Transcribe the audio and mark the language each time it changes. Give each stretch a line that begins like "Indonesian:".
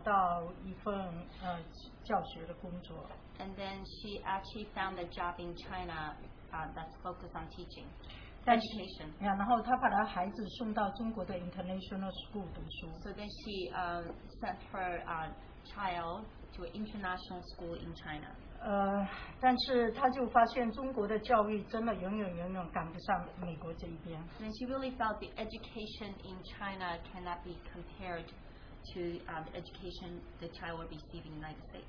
Chinese: 然后思琪在中国福州就找到一份教学的工作。
English: And then she actually found a job in China that's focused on teaching.
Chinese: 然后她把她孩子送到中国的 international school 读书。
English: So then she sent her child to an international school in China.
Chinese: 但是她就发现中国的教育真的永远赶不上美国这一边。
English: Then she really felt the education in China cannot be compared to the education the child will receive in the United States.